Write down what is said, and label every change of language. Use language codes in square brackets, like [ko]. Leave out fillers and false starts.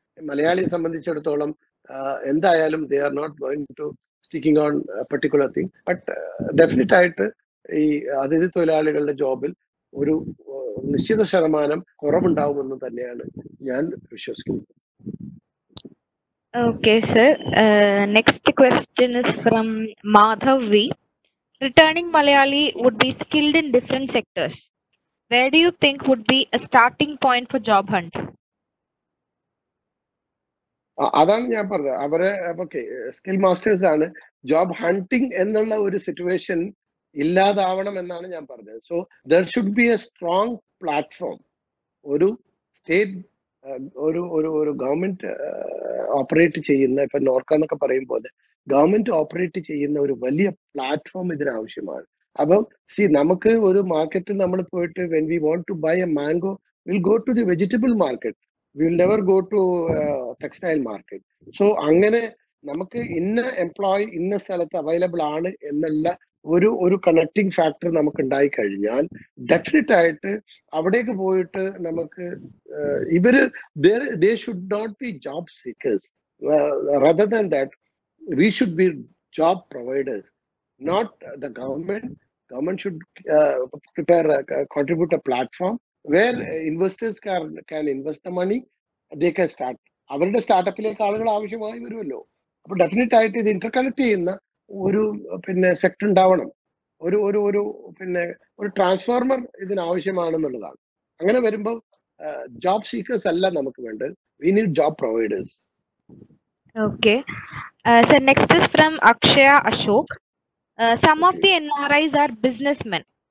[ml] മലയാളിയെ സംബന്ധിച്ചിടത്തോളം എന്തായാലും [en] they are not going to sticking on particular thing but [ml] definite ആയിട്ട് ഈ അതിഥി തൊഴിലാളികളുടെ ജോബിൽ ഒരു നിശ്ചിത ശതമാനം കുറവുണ്ടാവുമെന്ന് തന്നെയാണ് ഞാൻ വിശ്വസിക്കുന്നത്. [en] Okay sir, next question is from Madhav V. Returning Malayali would be skilled in different sectors. Where do you think would be a starting point for job hunt? [ml] അതാണ് ഞാൻ പറഞ്ഞത്, അവരെ സ്കിൽ മാസ്റ്റേഴ്സ് ആണ്. ജോബ് ഹണ്ടിങ് എന്നുള്ള ഒരു സിറ്റുവേഷൻ ഇല്ലാതാവണം എന്നാണ് ഞാൻ പറഞ്ഞത്. [en] So there should be a strong platform. [ml] ഒരു സ്റ്റേറ്റ് ഒരു ഒരു ഒരു ഗവൺമെന്റ് ഓപ്പറേറ്റ് ചെയ്യുന്ന, ഇപ്പൊ നോർക്ക എന്നൊക്കെ പറയുമ്പോൾ ഗവൺമെന്റ് ഓപ്പറേറ്റ് ചെയ്യുന്ന ഒരു വലിയ പ്ലാറ്റ്ഫോം ഇതിനാവശ്യമാണ്. അപ്പം സി നമുക്ക് ഒരു മാർക്കറ്റിൽ നമ്മൾ പോയിട്ട് [en] When we want to buy a mango will go to the vegetable market, will never go to textile market. [ml] So അങ്ങനെ നമുക്ക് ഇന്ന എംപ്ലോയ് ഇന്ന സ്ഥലത്ത് അവൈലബിൾ ആണ് എന്നുള്ള ഒരു ഒരു കണക്റ്റിംഗ് ഫാക്ടർ നമുക്ക് ഉണ്ടായി കഴിഞ്ഞാൽ ഡെഫിനറ്റ് ആയിട്ട് അവിടേക്ക് പോയിട്ട് നമുക്ക് ഇവര് [en] They should not be job seekers, rather than that we should be job providers. Not the government. Government should prepare, contribute a platform where investors can invest the money. They can start. [ml] അവരുടെ സ്റ്റാർട്ടപ്പിലേക്ക് ആളുകൾ ആവശ്യമായി വരുമല്ലോ. അപ്പൊ definite ആയിട്ട് ഇത് interconnect ചെയ്യുന്ന ഒരു പിന്നെ സെക്ടർ ഉണ്ടാവണം. ഒരു ഒരു ഒരു പിന്നെ ഒരു ട്രാൻസ്ഫോർമർ ഇതിനാവശ്യമാണെന്നുള്ളതാണ്. അങ്ങനെ വരുമ്പോൾ ജോബ് സീക്കേഴ്സ് അല്ല നമുക്ക് വേണ്ടത്, [en] We need job providers. Okay sir, next is from Akshaya Ashok. Some of the NRIs are businessmen.